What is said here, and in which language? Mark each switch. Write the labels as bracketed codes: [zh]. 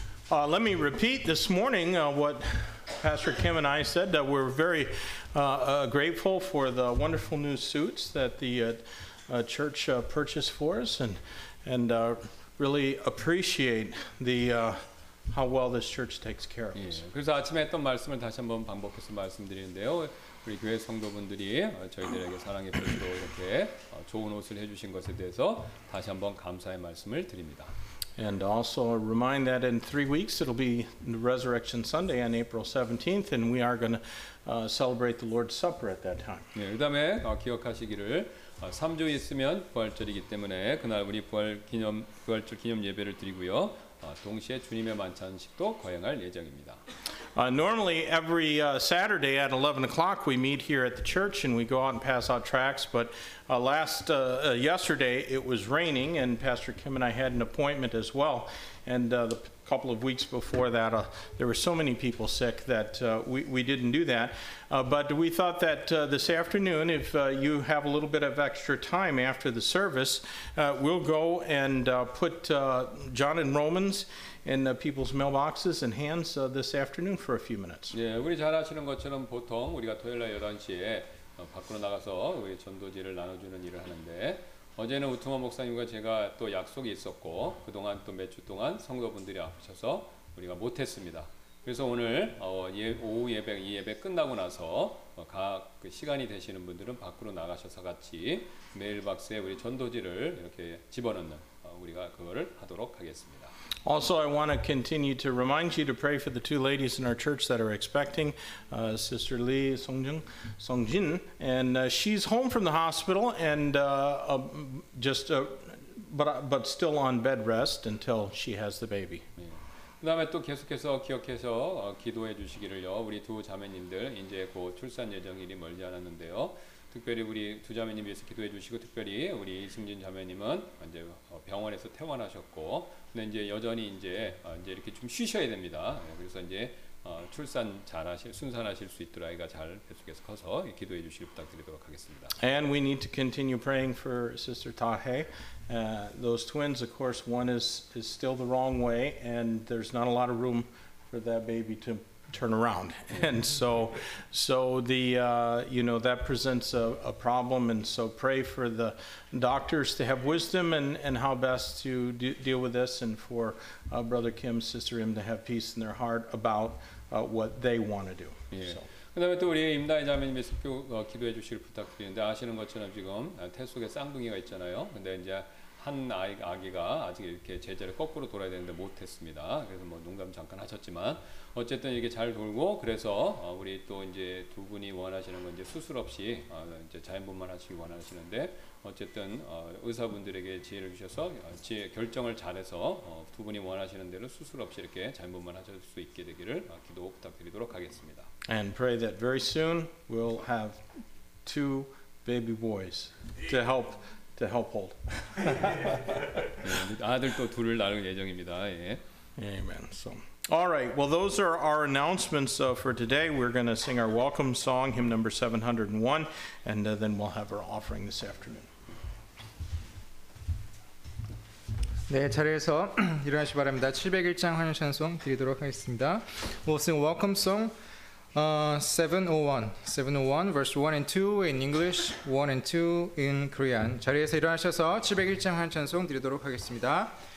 [en] Let me repeat this morning what Pastor Kim and I said. That we're very grateful for the wonderful new suits that the church purchased for us, and really appreciate the how well this church takes care of us. [ko] 그래서 아침에 했던 말씀을 다시 한번 반복해서 말씀드리는데요. 우리 교회 성도분들이 저희들에게 사랑의 표시로 이렇게 좋은 옷을 해주신 것에 대해서 다시 한번 감사의 말씀을 드립니다. [en] And also remind that in 3 weeks it'll be Resurrection Sunday on April 17th, and we are going to celebrate the Lord's Supper at that time. [ko] 예, 그다음에 기억하시기를 3주 있으면 부활절이기 때문에 그날 우리 부활절 기념 예배를 드리고요. 동시에 주님의 만찬식도 거행할 예정입니다. [en] Normally every Saturday at 11 o'clock we meet here at the church and we go out and pass out tracts, but yesterday it was raining and Pastor Kim and I had an appointment as well, and the couple of weeks before that there were so many people sick that we didn't do that, but we thought that this afternoon if you have a little bit of extra time after the service, we'll go and put John and Romans in people's mailboxes and hands this afternoon for a few minutes. [ko] 예, 우리 잘 아시는 것처럼 보통 우리가 토요일날 11시에 밖으로 나가서 우리 전도지를 나눠주는 일을 하는데, 어제는 우투마 목사님과 제가 또 약속이 있었고 그동안 또 몇 주 동안 성도분들이 아프셔서 우리가 못했습니다. 그래서 오늘 오후 예배, 이 예배 끝나고 나서 그 시간이 되시는 분들은 밖으로 나가셔서 같이 메일박스에 우리 전도지를 이렇게 집어넣는 우리가 그거를 하도록 하겠습니다. [en] Also, I want to continue to remind you to pray for the two ladies in our church that are expecting, Sister Lee Songjin, and she's home from the hospital, and but still on bed rest until she has the baby. [ko] 그 다음에 또 계속해서 기억해서 기도해 주시기를요. 우리 두 자매님들 이제 곧 출산 예정일이 멀지 않았는데요. 특별히 우리 두 자매님 위해서 기도해 주시고 특별히 우리 이승진 자매님은 이제 병원에서 퇴원하셨고 근데 이제 여전히 이제 이렇게 좀 쉬셔야 됩니다. 그래서 이제 출산 잘하실 순산하실 수 있도록 아이가 잘 계속해서 커서 기도해 주시길 부탁드리도록 하겠습니다. [en] And we need to continue praying for Sister Tahe. Those twins, of course, one is still the wrong way, and there's not a lot of room for that baby to turn around, and so the that presents a problem, and so pray for the doctors to have wisdom and how best to deal with this, and for Brother Kim, Sister Im to have peace in their heart about what they want to do. Yeah. So. [ko] 그다음에 또 우리 임다희 자매님께서 기도해 주시길 부탁드리는데 아시는 것처럼 지금 태 속에 쌍둥이가 있잖아요. 근데 이제 한 아기가 아직 이렇게 제자를 거꾸로 돌아야 되는데 못했습니다. 그래서 뭐 농담 잠깐 하셨지만 어쨌든 이렇게 잘 돌고 그래서 우리 또 이제 두 분이 원하시는 건 이제 수술 없이 이제 자연분만 하시기 원하시는데 어쨌든 의사분들에게 지혜를 주셔서 지혜 결정을 잘해서 두 분이 원하시는 대로 수술 없이 이렇게 자연분만 하실 수 있게 되기를 기도 부탁드리도록 하겠습니다. [en] And pray that very soon we'll have two baby boys to help hold. [ko] 아들 또 둘을 낳을 예정입니다. [en] Amen. So, all right. Well, those are our announcements for today. We're going to sing our welcome song, hymn number 701, and then we'll have our offering this afternoon. [ko] 네, 자리에서 일어나시 바랍니다. 701장 환영 찬송 드리도록 하겠습니다. [en] We'll sing welcome song. 701, verse 1 and 2 in English, 1 and 2 in Korean. [ko] 자리에서 일어나셔서 701장 한 찬송 드리도록 하겠습니다.